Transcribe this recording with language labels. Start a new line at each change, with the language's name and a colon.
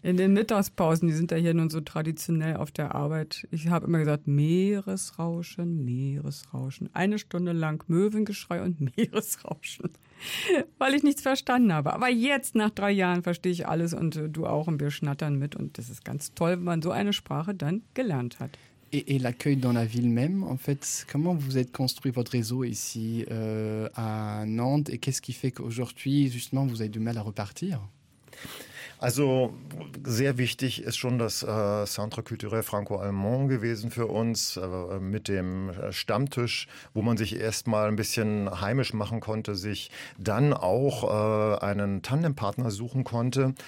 German: In den Mittagspausen, die sind ja hier nun so traditionell auf der Arbeit, ich habe immer gesagt, Meeresrauschen, Meeresrauschen, eine Stunde lang Möwengeschrei und Meeresrauschen, weil ich nichts verstanden habe. Aber jetzt, nach 3 Jahren, verstehe ich alles und du auch und wir schnattern mit und das ist ganz toll, wenn man so eine Sprache dann gelernt hat.
French: Et l'accueil dans la ville même, en fait, comment vous êtes construit votre réseau ici à Nantes et qu'est-ce qui fait qu'aujourd'hui, justement, vous avez du mal à repartir?
German: Also, sehr wichtig ist schon das Centre Culturel Franco-Allemand gewesen für uns mit dem Stammtisch, wo man sich erstmal ein bisschen heimisch machen konnte, sich dann auch einen Tandempartner suchen konnte.